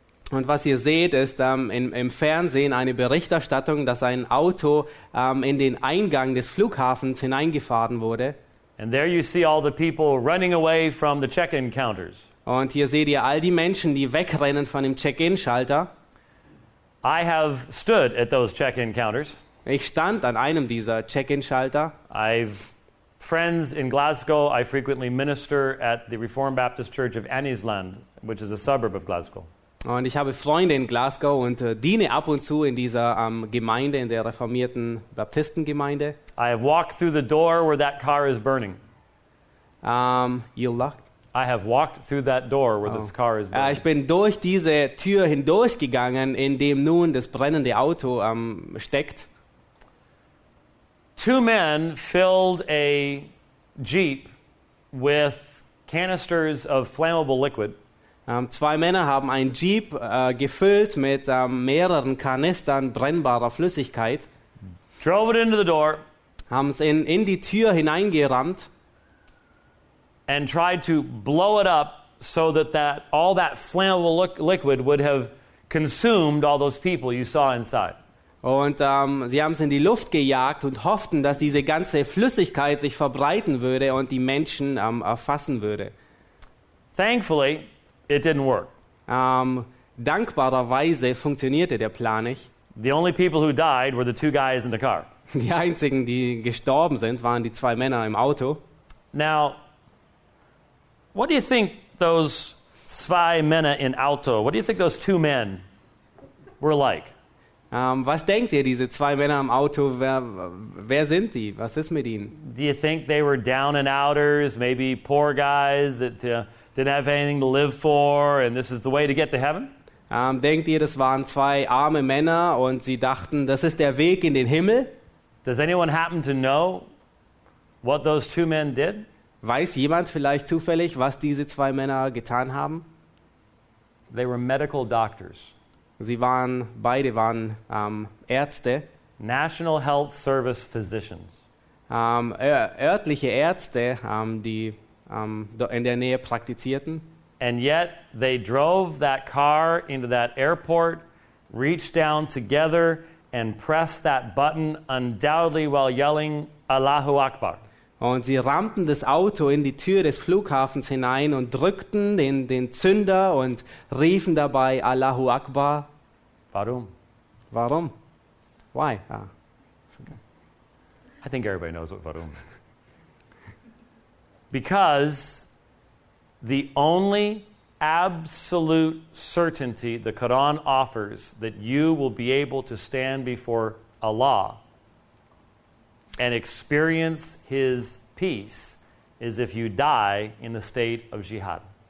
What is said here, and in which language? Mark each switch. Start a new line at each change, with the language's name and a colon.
German: Und was ihr seht, ist im Fernsehen eine Berichterstattung, dass ein Auto in den Eingang des Flughafens hineingefahren wurde.
English: And there you see all the people running away from the check-in counters.
German: Und hier seht ihr all die Menschen, die wegrennen von dem Check-in-Schalter.
English: I have stood at those check-in counters.
German: Ich stand an einem dieser Check-in-Schalter.
English: I've friends in Glasgow. I frequently minister at the Reformed Baptist Church of Annisland, which is a suburb of Glasgow.
German: Und ich habe Freunde in Glasgow und diene ab und zu in dieser Gemeinde, in der reformierten Baptistengemeinde.
English: I have walked through the door where that car is burning. You locked? I have walked through that door where this car is burning.
German: Ich bin durch diese Tür hindurchgegangen, in dem nun das brennende Auto steckt.
English: Two men filled a Jeep with canisters of flammable liquid.
German: Zwei Männer haben einen Jeep gefüllt mit mehreren Kanistern brennbarer Flüssigkeit.
English: Drove it into the door.
German: Haben es in die Tür hineingerammt.
English: And tried to blow it up so that all that flammable liquid would have consumed all those people you saw inside.
German: Und sie haben es in die Luft gejagt und hofften, dass diese ganze Flüssigkeit sich verbreiten würde und die Menschen erfassen würde.
English: Thankfully, it didn't work.
German: Dankbarerweise funktionierte der Plan nicht.
English: The only people who died were the two guys in the car.
German: Die einzigen, die gestorben sind, waren die zwei Männer im Auto.
English: Now, what do you think those
German: zwei Männer in Auto,
English: what do you think those two men were like?
German: Was denkt ihr, diese zwei Männer im Auto, wer sind die? Was ist mit ihnen?
English: Do you think they were down and outers, maybe poor guys that didn't have anything to live for and this is the way to get to heaven?
German: Denkt ihr, das waren zwei arme Männer und sie dachten, das ist der Weg in den Himmel?
English: Does anyone happen to know what those two men did?
German: Weiß jemand vielleicht zufällig, was diese zwei Männer getan haben?
English: They were medical doctors.
German: Sie waren, beide waren Ärzte.
English: National Health Service Physicians.
German: Örtliche Ärzte, die in der Nähe praktizierten.
English: And yet they drove that car into that airport, reached down together and pressed that button undoubtedly while yelling Allahu Akbar.
German: Und sie rammten das Auto in die Tür des Flughafens hinein und drückten den Zünder und riefen dabei Allahu Akbar. Warum? Warum?
English: Why?
German: Ah.
English: I think everybody knows what warum. Because the only absolute certainty the Quran offers that you will be able to stand before Allah and experience His peace is if you die in the state of jihad.